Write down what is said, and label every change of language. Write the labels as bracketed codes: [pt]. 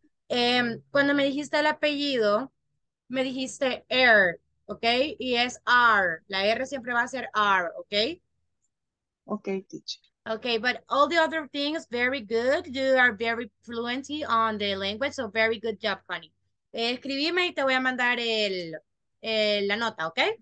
[es] Cuando me dijiste el apellido, me dijiste R, okay? Y es R. La R siempre va a ser R, okay? [en] Okay, teacher. Okay, but all the other things, very good. You are very fluent on the language, so very good job, Connie. [es] Escribime y te voy a mandar la nota, ¿ok?